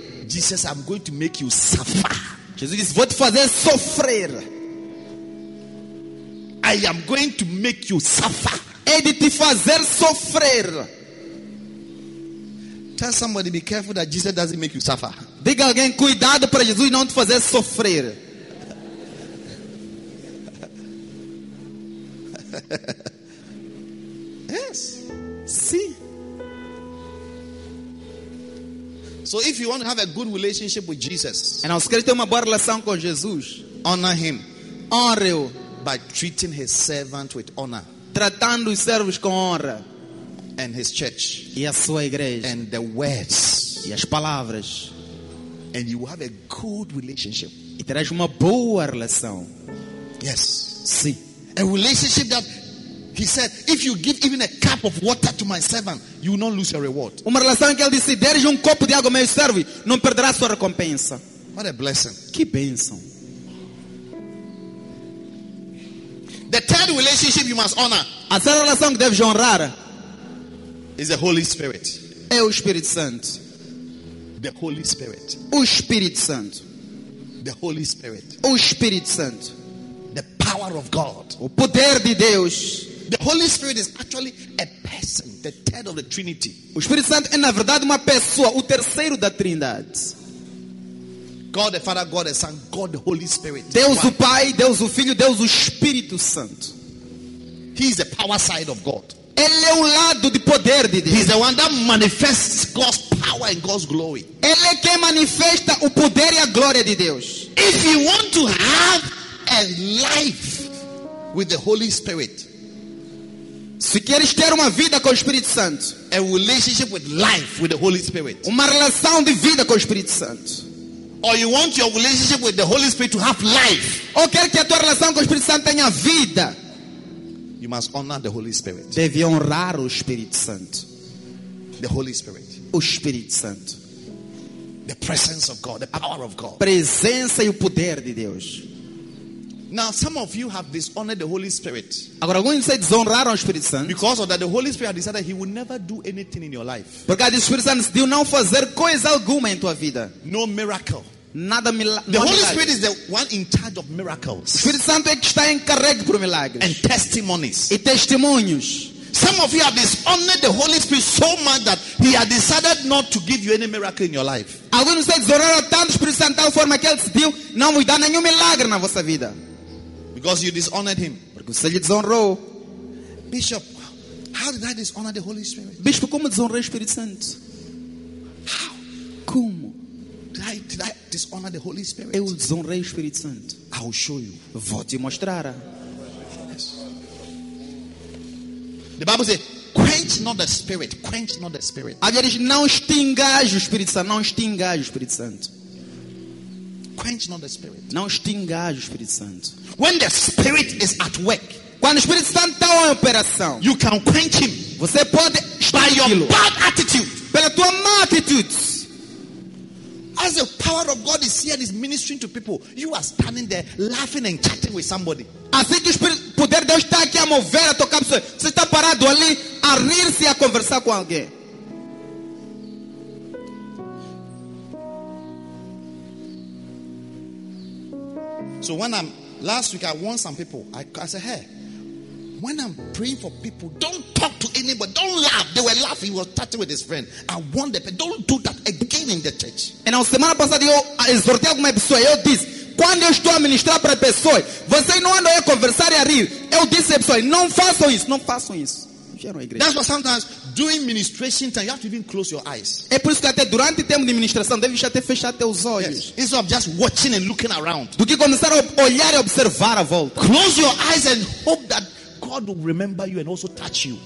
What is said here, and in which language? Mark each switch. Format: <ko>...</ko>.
<en>Jesus, I'm going to make you suffer.</en> <pt>Jesus disse, vou te fazer sofrer.</pt> <en>I am going to make you suffer.</en> <pt>É de te fazer sofrer.</pt> <en>Tell somebody, be careful that Jesus doesn't make you suffer.</en> <pt>Diga alguém, cuidado para Jesus não te fazer sofrer.</pt> <en>Yes.</en> <pt>Sim.</pt> <en>So if you want to have a good relationship with Jesus,</en> <pt>e nós queremos ter uma boa relação com Jesus,</pt> <en>honor him.</en> <pt>Honre-o.</pt> <en>By treating his servant with honor.</en> <pt>Tratando os servos com honra.</pt> <en>And his church.</en> <pt>E a sua igreja.</pt> <en>And the words.</en> <pt>E as palavras.</pt> <en>And you have a good relationship.</en> <pt>E terás uma boa relação.</pt> <en>Yes.</en> <pt>Sim.</pt> <en>A relationship that he said, if you give even a cup of water to my servant, you will not lose your reward.</en> <pt>Uma relação que ele disse, deres um copo de água ao meu servo, não perderá sua recompensa.</pt> <en>What a blessing.</en> <pt>Que bênção.</pt> <en>The third relationship you must honor.</en> <pt>A terceira relação que deves honrar.</pt> <en>Is the Holy Spirit.</en> <pt>É o Espírito Santo.</pt> <en>The Holy Spirit.</en> <pt>O Espírito Santo.</pt> <en>The Holy Spirit.</en> <pt>O Espírito Santo.</pt> <en>The power of God.</en> <pt>O poder de Deus.</pt> <en>The Holy Spirit is actually a person, the third of the Trinity.</en> <pt>O Espírito Santo é na verdade uma pessoa, o terceiro da Trindade.</pt> <en>God the Father, God the Son, God the Holy Spirit.</en> <pt>Deus o Pai, Deus o Filho, Deus o Espírito Santo.</pt> <en>He is the power side of God.</en> <pt>Ele é o lado de poder de Deus.</pt> <en>He is the one that manifests God's power and God's glory.</en> <pt>Ele é quem manifesta o poder e a glória de Deus.</pt> <en>If you want to have a life with the Holy Spirit,</en> <pt>se queres ter uma vida com o Espírito Santo,</pt> <en>a relationship with life with the Holy Spirit,</en> <pt>uma relação de vida com o Espírito Santo.</pt> <en>Or you want your relationship with the Holy Spirit to have life.</en> <pt>Ou quer que a tua relação com o Espírito Santo tenha vida.</pt> <en>You must honor the Holy Spirit.</en> <pt>Deve honrar o Espírito Santo.</pt> <en>The Holy Spirit.</en> <pt>O Espírito Santo.</pt> <en>The presence of God, the power of God.</en> <pt>Presença e o poder de Deus.</pt> <en>Now some of you have dishonored the Holy Spirit.</en> <pt>Agora alguns dizem desonrar o Espírito Santo.</pt> <en>Because of that the Holy Spirit decided he will never do anything in your life.</en> <pt>Porque o Espírito Santo decidiu não fazer coisa alguma em tua vida.</pt> <en>No miracle.</en> <pt>Nada</pt> <en>the Holy Spirit is the one in charge of miracles.</en> <pt>O Espírito Santo é que está encarregue por milagres.</pt> <en>And testimonies.</en> <pt>E testemunhos.</pt> <en>Some of you have dishonored the Holy Spirit so much that he has decided not to give you any miracle in your life.</en> <pt>Alguns dizem desonrar tanto o Espírito Santo de forma que ele decidiu não vos dar nenhum milagre na vossa vida.</pt> <en>Because you dishonored him.</en> <pt>Porque você lhe desonrou.</pt> <en>Bishop, how did I dishonor the Holy Spirit?</en> <pt>Bispo, como desonrei o Espírito Santo?</pt> <en>How?</en> <pt>Como?</pt> <en>Did I dishonor the Holy Spirit?</en> <pt>Eu desonrei o Espírito Santo.</pt> <en>I will show you.</en> <pt>Vou te mostrar.</pt> <en>Yes. The Bible says, quench not the Spirit. Quench not the Spirit.</en> <pt>A Bíblia diz, não extingas o Espírito Santo. Não extingas o Espírito Santo.</pt> <en>Quench not the Spirit.</en> <pt>Não extingas o Espírito Santo.</pt> <en>When the Spirit is at work,</en> <pt>quando o Espírito Santo está em operação,</pt> <en>you can quench him.</en> <pt>Você pode</pt> <en>by your bad attitude.</en> <pt>Pela tua má atitude.</pt> <en>As the power of God is here, is ministering to people. You are standing there laughing and chatting with somebody.</en> <pt>Assim que o Espírito poder Deus está aqui a mover a tua cabeça, você está parado ali a rir-se e a conversar com alguém.</pt> <en>So when I'm last week, I warned some people. I said, hey, when I'm praying for people, don't talk to anybody. Don't laugh. They were laughing. He was chatting with his friend. I warned them, don't do that again in the church.</en> <pt>E na semana passada, eu exortei alguma pessoa. Eu disse, quando eu estou a ministrar para pessoas, vocês não andam a conversar e a rir. Eu disse a pessoa, não façam isso. Não façam isso. fecharam a igreja.</pt> <en>That's why sometimes during ministration time you have to even close your eyes.</en> <pt>É por isso que até durante tempo de ministração deve até fechar teus olhos.</pt> <en>Yes. Instead of just watching and looking around.</en> <pt>Do que começar a olhar e observar a volta.</pt> <en>Close your eyes and hope that God will remember you and also touch you.</en>